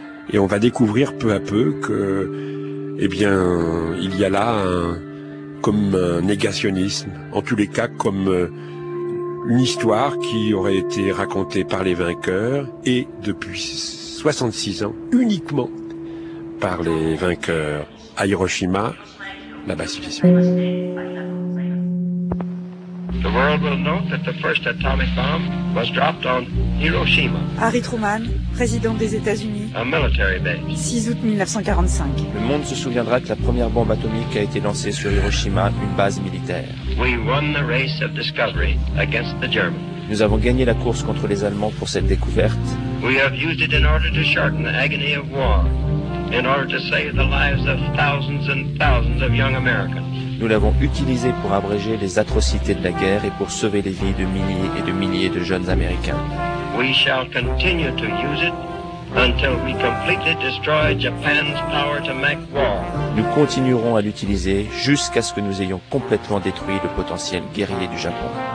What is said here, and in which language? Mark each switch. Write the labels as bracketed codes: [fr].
[fr] Et on va découvrir peu à peu que, eh bien, il y a là comme un négationnisme, en tous les cas comme une histoire qui aurait été racontée par les vainqueurs et depuis 66 ans uniquement par les vainqueurs à Hiroshima, là-bas suffisamment. [en] The world will know that the first atomic bomb was dropped on Hiroshima. [fr] Harry Truman, président des États-Unis. [en] A military base. [fr] 6 août 1945. Le monde se souviendra que la première bombe atomique a été lancée sur Hiroshima, une base militaire. [en] We won the race of discovery against the Germans. [fr] Nous avons gagné la course contre les Allemands pour cette découverte. [en] We have used it in order to shorten the agony of war, in order to save the lives of thousands and thousands of young Americans. [fr] Nous l'avons utilisé pour abréger les atrocités de la guerre et pour sauver les vies de milliers et de milliers de jeunes Américains. [en] We shall continue to use it until we completely destroy Japan's power to make war. [fr] Nous continuerons à l'utiliser jusqu'à ce que nous ayons complètement détruit le potentiel guerrier du Japon.